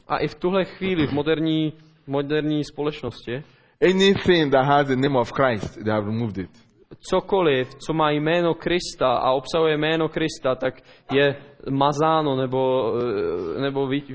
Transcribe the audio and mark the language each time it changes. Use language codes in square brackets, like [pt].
[cs] A i v tuhle chvíli v moderní společnosti. [en] Anything that has the name of Christ, they have removed it. [cs] Cokoliv, co má jméno Krista a obsahuje jméno Krista, tak je mazáno nebo